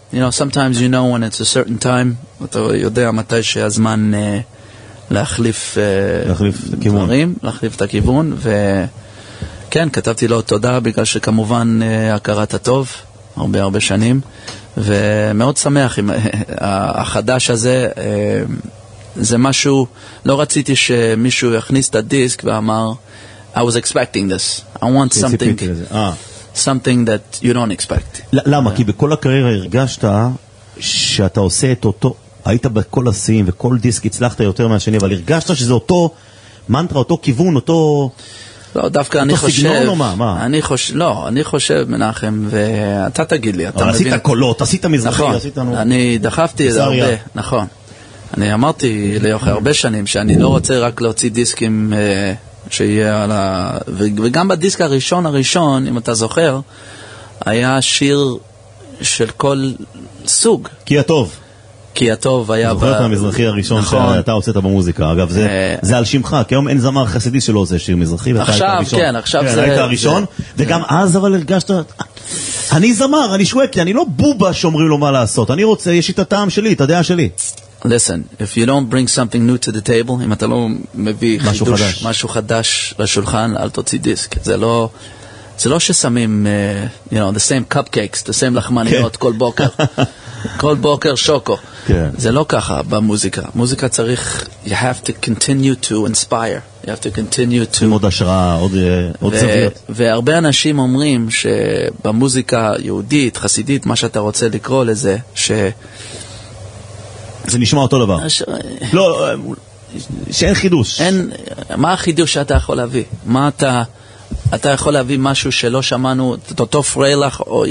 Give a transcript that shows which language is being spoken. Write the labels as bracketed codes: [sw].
[en] You know, sometimes you know when it's a certain time, [he] אתה יודע מתי שהזמן להחליף דברים, להחליף את הכיוון, ו... כן, כתבתי לו תודה, בגלל שכמובן הכרת הטוב, הרבה הרבה שנים, ומאוד שמח עם החדש הזה. זה משהו, לא רציתי שמישהו יכניס את הדיסק ואמר, [en] I was expecting this, I want something, something that you don't expect. [he] למה? כי בכל הקריירה הרגשת שאתה עושה את אותו, היית בכל השיאים וכל דיסק הצלחת יותר מהשני, אבל הרגשת שזה אותו מנטרה, אותו כיוון, אותו... לא, דווקא אני חושב, אני חושב מנחם, ואתה תגיד לי, אתה מבין? עשית קולות, עשית מזרחי, נכון, עשית לנו... אני דחפתי את זה הרבה, נכון. אני אמרתי ליוחי הרבה שנים שאני לא רוצה רק להוציא דיסקים שיהיה על ה... וגם בדיסק הראשון, אם אתה זוכר, היה שיר של כל סוג. כי הטוב. כי הטוב היה... זוכר את המזרחי הראשון שאתה הוצאת במוזיקה, אגב, זה על שמך, כי היום אין זמר חסידי שלא עושה שיר מזרחי, ואתה היית הראשון. עכשיו, כן, עכשיו זה... היית הראשון, וגם אז אבל הרגשת... אני זמר, אני שווקי, אני לא בובה שאומרים לו מה לעשות, אני רוצה, יש לי את הטעם שלי, את הדעה שלי. [en] Listen, if you don't bring something new to the table, [he] אם אתה לא מביא חידוש, משהו חדש לשולחן, אל תוציא דיסק, זה לא... זה לא ששמים, [en] you know, the same cupcakes, the same [he] לחמניות כל בוקר. כל בוקר שוקו. זה לא ככה במוזיקה. מוזיקה צריך, [en] you have to continue to inspire. You have to continue to... [he] עוד השראה, עוד זוויות. והרבה אנשים אומרים שבמוזיקה יהודית, חסידית, מה שאתה רוצה לקרוא לזה, ש... זה נשמע אותו דבר. לא, שאין חידוש. מה החידוש שאתה יכול להביא? מה אתה... אתה יכול להביא משהו שלא שמענו, את אותו פריילך, או, you know,